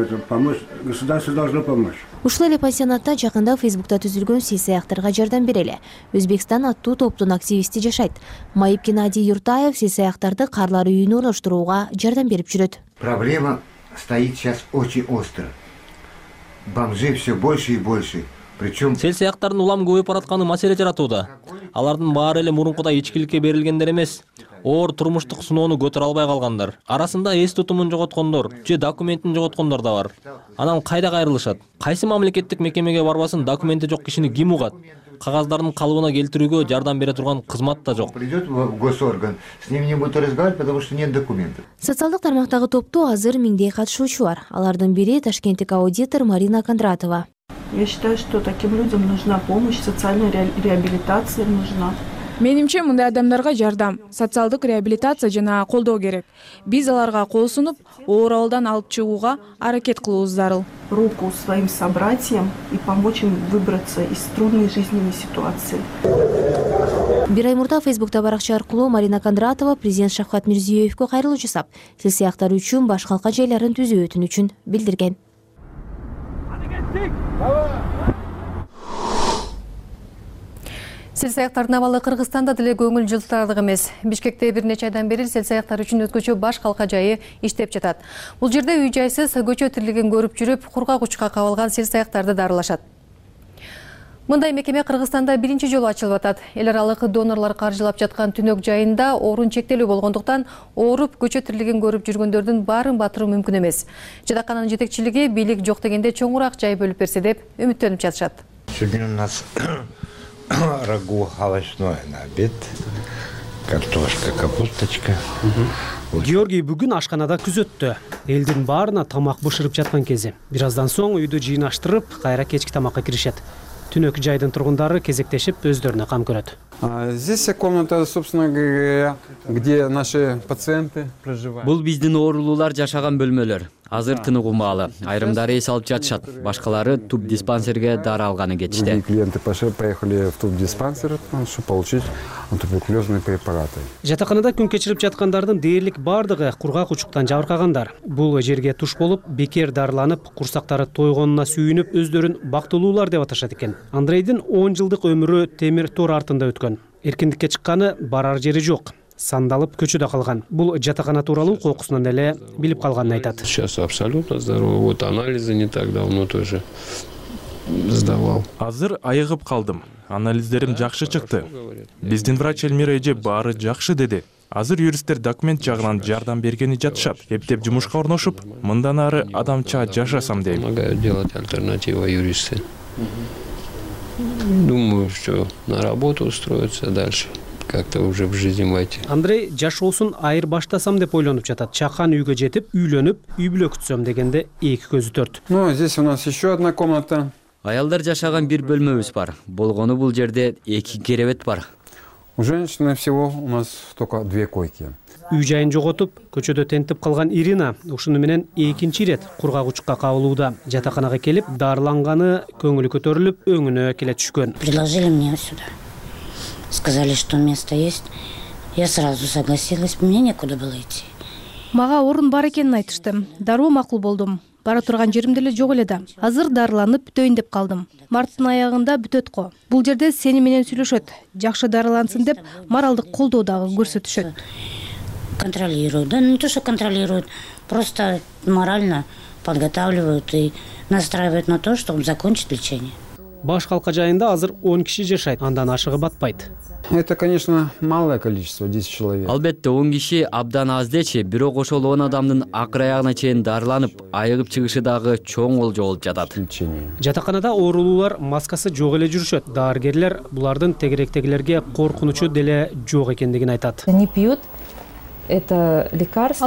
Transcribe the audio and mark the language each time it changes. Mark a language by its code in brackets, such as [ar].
[ky] Ушул эле пансионатта жакында Фейсбукта түзүлгөн селсаяктарга жардам берели. Өзбекстан аттуу топтун активисти жашайт. Майып Геннадий Юртаев селсаяктарды карылар үйүн орноштурууга жардам берип жүрөт. [ru] Проблема стоит сейчас очень остро. Бомжи все больше и больше. [ky] Селсаяктардын улам көбөйүп баратканы маселе жаратууда. Алардын баары эле мурункудай ичкиликке берилгендер эмес. Оор турмуштук сыноону көтөрө албай калгандар. Арасында эс тутумун жоготкондор же документин жоготкондор да бар. Анан кайда кайрылышат? Кайсы мамлекеттик мекемеге барбасын документи жок кишини ким угат? Кагаздардын калыбына келтирүүгө жардам бере турган кызмат да жок. [ru] Придет в госорган, с ним не будут разговаривать, потому что нет документов. [ky] Социалдык тармактагы топту азыр миңдей катышуучу бар. Алардын бири ташкенттик аудитор Марина Кондратова. [ru] Я считаю, что таким людям нужна помощь, социальная реабилитация нужна. [ky] Менимче мындай адамдарга жардам, социалдык реабилитация жана колдоо керек. Биз аларга кол сунуп, оор абалдан алып чыгууга аракет кылуубуз зарыл. [ru] Руку своим собратьям и помочь им выбраться из трудной жизненной ситуации. [ky] Бир ай мурда Фейсбукта баракча аркылуу Марина Кондратова президент Шавкат Мирзиёевко кайрылуу жасап, селсаяктар үчүн баш калка жайларын түзүү өтүнүчүн билдирген. [ru] Давай! [ky] Селсаяк карнавалы Кыргызстанда деле көңүл жылтырадык эмес. Бишкекте бир нече айдан бери селсаяктар үчүн өткөчө баш калка жайы иштеп жатат. Бул жерде үй жайсыз көчө тирлигин көрүп жүрүп, кургак учка кабылган селсаяктарды дарылашат. Мындай мекеме Кыргызстанда биринчи жолу ачылып атат. Эл аралык донорлор каржылап жаткан түнөк жайында орун чектелүү болгондуктан ооруп көчө тирлигин көрүп жүргөндөрдүн баарын батыруу мүмкүн эмес. Жатакананын жетекчилиги бийлик жок дегенде чоңураак жай бөлүп берсе деп үмүттөнүп жатышат. [ru] Сегодня у нас рагу овощное на обед, картошка, капусточка. [ky] Георгий бүгүн ашканада күзөттү. Элдин баарына тамак бышырып жаткан кези. Бир аздан соң үйдү жыйнаштырып, кайра кечки тамакка киришет. Түнөк жайдын тургундары кезектешип өздөрүнө кам көрөт. [ru] Здесь комната, собственно говоря, где наши пациенты проживают. [ky] Бул биздин оорулуулар жашаган бөлмөлөр. Азыр тыныгуумалы. Айрымдары эс алып жатышат. Башкалары туб диспансерге дары алганы кечти. [ru] Клиенты поехали в туб диспансер, чтобы получить антитуберкулёзные препараты. [ky] Жатаканада күн кечирип жаткандардын дээрлик бардыгы кургак учуктан жабыркагандар. Бул жерге туш болуп, бекер дарыланып, курсактары тойгонуна сүйүнүп өздөрүн бактылуулар деп аташат экен. Андрейдин 10 жылдык өмүрү темир тор артында өткөн. Эркиндикке чыкканы барар жери жок. Сандалып көчөдө калган. Бул жатакана тууралуу кокусунан эле билип калганын айтат. [ru] Сейчас абсолютно здоровый. Вот анализы не так давно тоже сдавал. [ky] Азыр айыгып калдым. Анализдерим жакшы чыкты. Биздин врач Элмир Эже баары жакшы деди. Азыр юристтер документ жагынан жардам бергени жатышат. Эптеп жумушка орношуп, мындан ары адамча жашасам дейм. [ru] Помогают делать альтернатива юристы. Думаю, что на работу устроиться дальше. Как-то уже в жизни войти. [ky] Андрей жашоосун айырбаштасам деп ойлонуп жатат. Чакан үйгө жетип, үйлөнүп, үй бүлө күтсөм дегенде эки көзү төрт. [ru] Ну, здесь у нас еще одна комната. [ky] Аялдар жашаган бир бөлмөбүз бар. Болгону бул жерде эки керебет бар. [ru] У женщины всего у нас только две койки. [ky] Үй жайын жоготуп, көчөдө тентип калган Ирина ушуну менен экинчи ирет кургак учукка кабылууда. Жатаканага келип, дарыланганы көңүлү көтөрүлүп, өңүнө келе түшкөн. Предложили мне сюда. Сказали, что место есть. Я сразу согласилась. Мне некуда было идти. Мага орун бар экенин айтыштым. Дароо макул болдум. Бара турган жерим деле жок эле да. Азыр дарыланып бүтөйүн деп калдым. Марттын аягында бүтөт го. Бул жерде сени менен сүйлөшөт. Жакшы дарылансын деп моралдык колдоо дагы көрсөтүшөт. [ru] Контролируют. Да, не то, что контролируют. Просто морально подготавливают и настраивают на то, чтобы закончить лечение. [ky] Баш калка жайында азыр 10 киши жашайт. Андан ашыгы батпайт. [ru] Это, конечно, малое количество, 10 человек. [ky] Албетте, 10 киши абдан аз дечи, бирок ошол 10 адамдын акыр аягына чейин дарыланып, айыгып чыгышы дагы чоң олжо болуп жатат. Жатаканада оорулуулар маскасы жок эле жүрүшөт. Дарыгерлер булардын тегеректегилерге коркунучу деле жок экендигин айтат. [ru] Не пьют. Это лекарство.